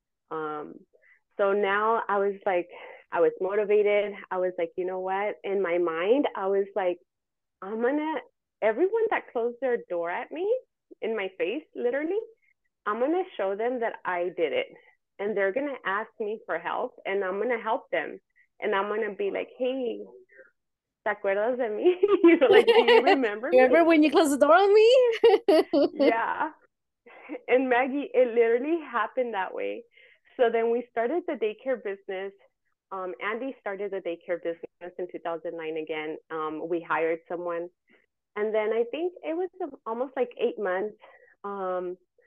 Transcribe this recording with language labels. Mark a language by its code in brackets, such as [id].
[en] So now I was like, I was motivated. I was like, you know what? In my mind, I was like, I'm gonna, everyone that closed their door at me in my face, literally, I'm gonna show them that I did it. And they're gonna ask me for help, and I'm gonna help them. And I'm gonna be like, hey, [es] ¿te acuerdas de mí? [en] You know, like, do you remember me? Remember when you closed the door on me? Yeah. And Maggie, it literally happened that way. So then we started the daycare business. Andy started the daycare business in 2009 again. We hired someone. And then I think it was almost like 8 months.